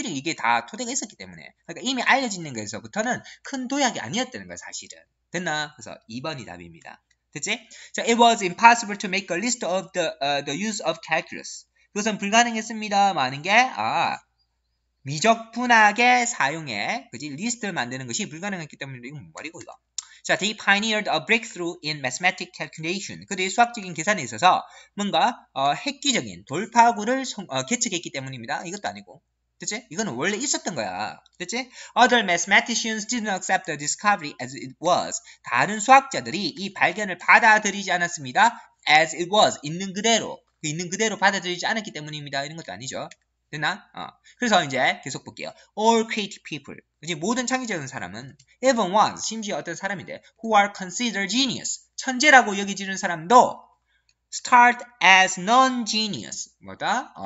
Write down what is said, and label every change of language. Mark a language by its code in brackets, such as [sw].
[ko] 미리 이게 다 토대가 있었기 때문에. 그러니까 이미 알려진 것에서부터는 큰 도약이 아니었다는 거야 사실은. 됐나? 그래서 2번이 답입니다. 됐지? [en] 자, it was impossible to make a list of the use of calculus. [ko] 그것은 불가능했습니다. 많은 게, 미적분학에 사용해. 그지? 리스트를 만드는 것이 불가능했기 때문에, 이건 뭐라고, 이거? [en] 자, they pioneered a breakthrough in mathematical calculation. [ko] 그들이 수학적인 계산에 있어서 뭔가, 획기적인 돌파구를 개척했기 때문입니다. 이것도 아니고. 그치? 이거는 원래 있었던 거야. 그치? [en] Other mathematicians didn't accept the discovery as it was. [ko] 다른 수학자들이 이 발견을 받아들이지 않았습니다. [en] As it was. [ko] 있는 그대로. 있는 그대로 받아들이지 않았기 때문입니다. 이런 것도 아니죠. 됐나? 그래서 이제 계속 볼게요. [en] All creative people. [ko] 이제 모든 창의적인 사람은 [en] even ones. [ko] 심지어 어떤 사람인데 [en] who are considered genius. [ko] 천재라고 여겨지는 사람도 [en] start as non-genius. [ko] 뭐다?